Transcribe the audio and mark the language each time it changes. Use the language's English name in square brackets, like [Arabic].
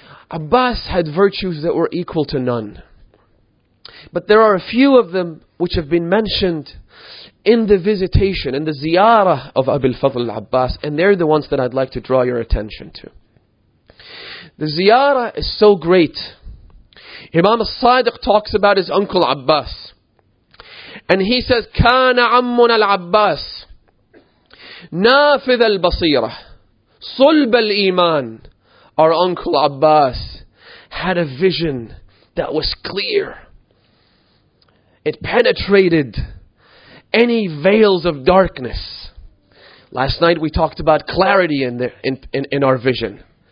[English] Abbas had virtues that were equal to none. But there are a few of them which have been mentioned in the visitation, in the ziyarah of Abu al-Fadl al-Abbas, and they're the ones that I'd like to draw your attention to. The ziyarah is so great. Imam al-Sadiq talks about his uncle Abbas. And he says, [Arabic] كَانَ عَمُّنَا الْعَبَّاسِ نَافِذَ الْبَصِيرَةِ صُلْبَ الْإِيمَانِ. [English] Our uncle Abbas had a vision that was clear. It penetrated any veils of darkness. Last night we talked about clarity in our vision.